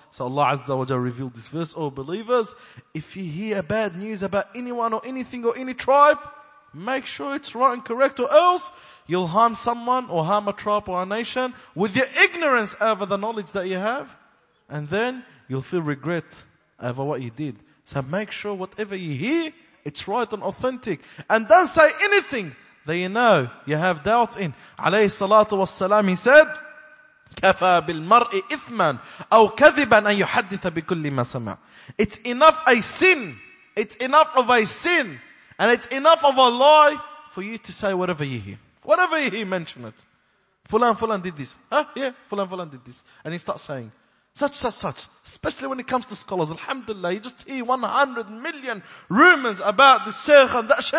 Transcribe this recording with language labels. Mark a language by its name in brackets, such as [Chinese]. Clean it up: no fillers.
[English] So Allah Azza wa Jalla revealed this verse. Oh believers, if you hear bad news about anyone or anything or any tribe, make sure it's right and correct or else you'll harm someone or harm a tribe or a nation with your ignorance over the knowledge that you have. And then you'll feel regret over what you did. So make sure whatever you hear, it's right and authentic. And don't say anything that you know you have doubts in. [Arabic] Alayhi salatu wassalam, [English] he said, [Arabic] كَفَى بِالْمَرْءِ إِثْمًا أَوْ كَذِبًا أَن يُحَدِّثَ بِكُلِّ مَا سَمَعَ [English] It's enough a sin. It's enough of a sin. And it's enough of a lie for you to say whatever you hear. Whatever you hear, mention it. Fulan did this. Huh? Yeah, Fulan did this. And he starts saying, such. Especially when it comes to scholars. Alhamdulillah, you just hear 100 million rumors about this sheikh and that sheikh.